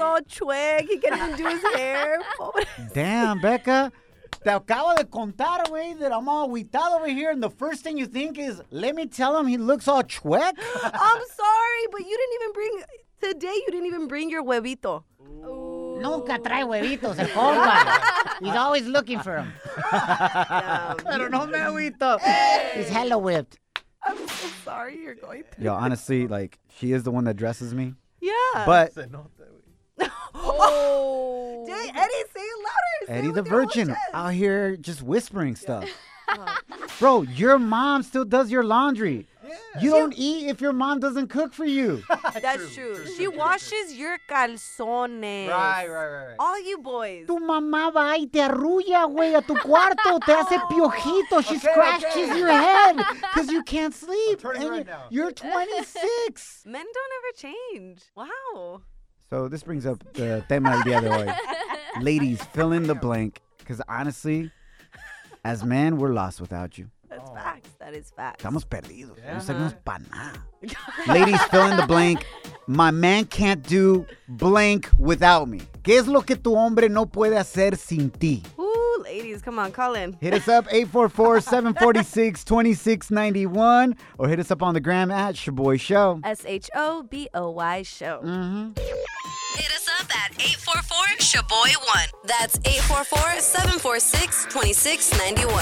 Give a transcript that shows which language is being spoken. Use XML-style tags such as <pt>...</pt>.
<en>All chueg. He can't even do his hair. Damn, Becca.</en> <es>Te acabo de contar, güey,</es> <en>that I'm all aguitado over here, and the first thing you think is, let me tell him he looks all chueg? I'm sorry, but today you didn't even bring your huevito.</en> <es>Nunca trae huevitos, el compa.</es> <en>He's always looking for them. I don't know, my huevito. He's hella whipped. I'm so sorry you're going through. Yo, honestly, like, she is the one that dresses me. Yeah. But... Eddie, say it louder. Eddie the virgin out here just whispering stuff. Yeah. Bro, your mom still does your laundry. Yeah. You don't eat if your mom doesn't cook for you. That's true. She washes your calzones. Right. All you boys.</en> <es>Tu mamá va y te arrulla, güey, a tu cuarto. Te hace piojito.</es> <en>She scratches your head because you can't sleep. Turn it right now. You're 26. Men don't ever change. Wow. So this brings up the</en> <es>tema del día de hoy.</es> <en>Ladies, fill in the blank, because honestly, as men, we're lost without you. That's facts. That is facts.</en> <es>Estamos perdidos. Yeah. No sabemos para nada.</es> <en>Ladies, fill in the blank. My man can't do blank without me.</en> <es>¿Qué es lo que tu hombre no puede hacer sin ti?</es> <en>Ooh, ladies, come on, call in. Hit us up, 844-746-2691, or hit us up on the gram at Shaboy Show. Shoboy Show. Mm-hmm. Hit us up at 844-SHABOY1. That's 844-746-2691.</en>